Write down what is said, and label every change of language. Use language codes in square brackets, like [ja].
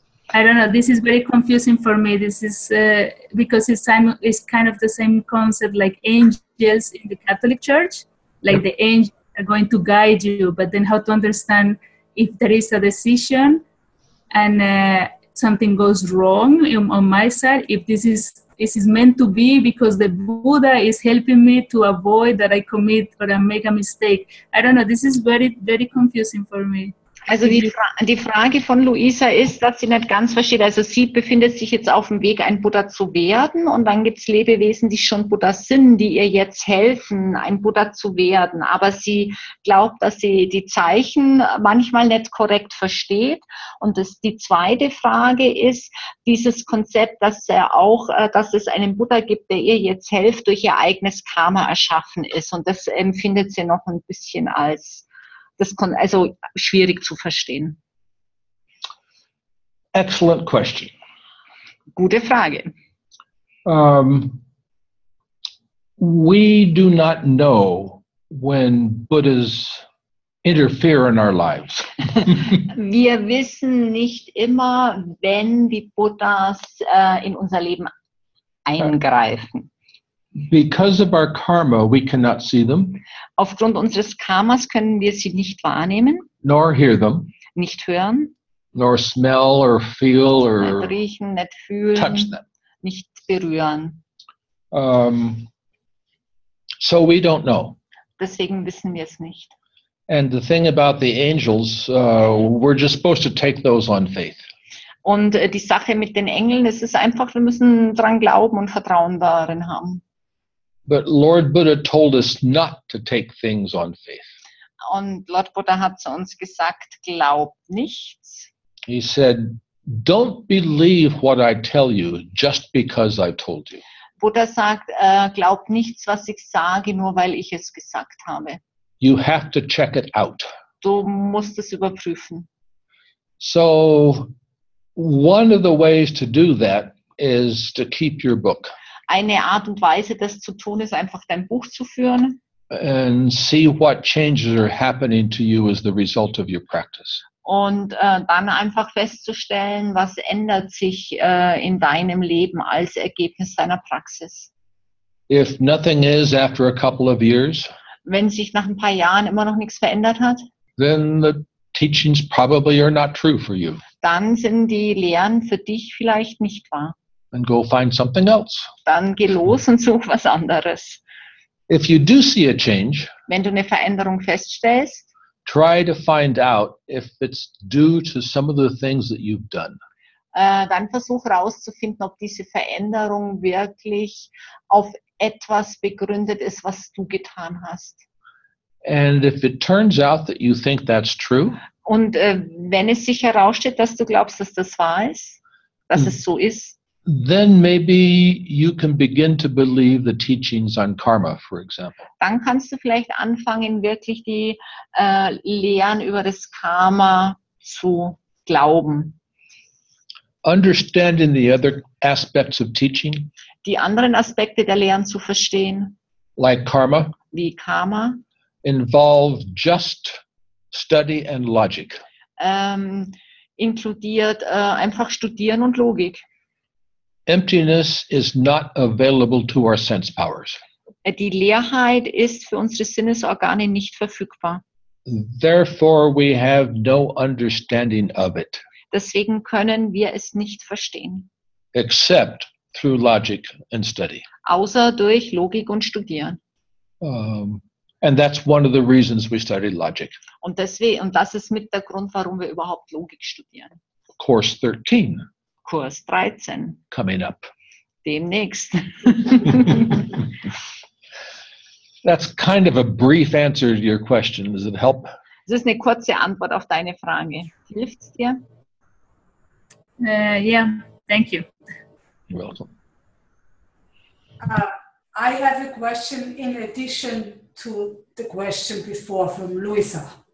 [en] I don't know, this is very confusing for me. This is because it's kind of the same concept like angels in the Catholic Church, like the angels are going to guide you, but then how to understand if there is a decision and something goes wrong on my side, if this is meant to be because the Buddha is helping me to avoid that I commit or I make a mistake. I don't know, this is very, very confusing for me. [de] Also die Frage von Luisa ist, dass sie nicht ganz versteht. Also sie befindet sich jetzt auf dem Weg, ein Buddha zu werden. Und dann gibt es Lebewesen, die schon Buddha sind, die ihr jetzt helfen, ein Buddha zu werden. Aber sie glaubt, dass sie die Zeichen manchmal nicht korrekt versteht. Und das, die zweite Frage ist, dieses Konzept, dass es einen Buddha gibt, der ihr jetzt hilft, durch ihr eigenes Karma erschaffen ist. Und das empfindet sie noch ein bisschen als... Das konnte also schwierig zu verstehen. [en] Excellent question. [de] Gute Frage. [en] We do not know when Buddhas interfere in our lives. [de] Wir wissen nicht immer, wenn die Buddhas in unser Leben eingreifen. [en] Because of our karma, we cannot see them. [de] Aufgrund unseres Karmas können wir sie nicht wahrnehmen. [en] Nor hear them. [de] Nicht hören. [en] Nor smell or feel or [de] nicht riechen, nicht fühlen, [en] touch them. [de] Nicht berühren. [en] So we don't know. [de] Deswegen wissen wir es nicht. [en] And the thing about the angels, we're just supposed to take those on faith. [de] Und die Sache mit den Engeln, es ist einfach, wir müssen dran glauben und Vertrauen darin haben. [en] But Lord Buddha told us not to take things on faith. [de] Und Lord Buddha hat zu uns gesagt, glaub nichts. [en] He said, don't believe what I tell you just because I told you. [de] Buddha sagt, glaub nichts, was ich sage, nur weil ich es gesagt habe. [en] You have to check it out. [de] Du musst es überprüfen. [en] So one of the ways to do that is to keep your book. [de] Eine Art und Weise, das zu tun, ist einfach dein Buch zu führen. [en] And see what changes are happening to you as the result of your practice. [de] Und dann einfach festzustellen, was ändert sich in deinem Leben als Ergebnis deiner Praxis. [en] If nothing is after a couple of years, [de] wenn sich nach ein paar Jahren immer noch nichts verändert hat, [en] then the teachings probably are not true for you. [de] Dann sind die Lehren für dich vielleicht nicht wahr. [en] And go find something else. [de] Dann geh los und such was anderes. [en] If you do see a change, [de] wenn du eine Veränderung feststellst, [en] try to find out if it's due to some of the things that you've done. [de] Dann versuch herauszufinden, ob diese Veränderung wirklich auf etwas begründet ist, was du getan hast. [en] And if it turns out that you think that's true, [de] und wenn es sich herausstellt, dass du glaubst, dass das wahr ist, dass es so ist, [en] then maybe you can begin to believe the teachings on karma, for example. [de] Dann kannst du vielleicht anfangen, wirklich die Lehren über das Karma zu glauben. [en] Understanding the other aspects of teaching. [de] Die anderen Aspekte der Lehren zu verstehen. [en] Like karma. [de] Wie Karma. [en] Involve just study and logic. [de] Inkludiert einfach Studieren und Logik. [en] Emptiness is not available to our sense powers. [de] Die Leerheit ist für unsere Sinnesorgane nicht verfügbar. [en] Therefore we have no understanding of it. [de] Deswegen können wir es nicht verstehen. [en] Except through logic and study. [de] Außer durch Logik und Studieren. [en] And that's one of the reasons we study logic. [de] Und deswegen, und das ist mit der Grund, warum wir überhaupt Logik studieren. [en] Course 13. [de] Kurs 13. [en] Coming up. [de] Demnächst. [en] That's kind of a brief answer to your question. Does it help? [de] Das ist eine kurze Antwort auf deine Frage. Hilft es dir? [en] Yeah, thank you. You're welcome. I have a question in addition to the question before from Luisa.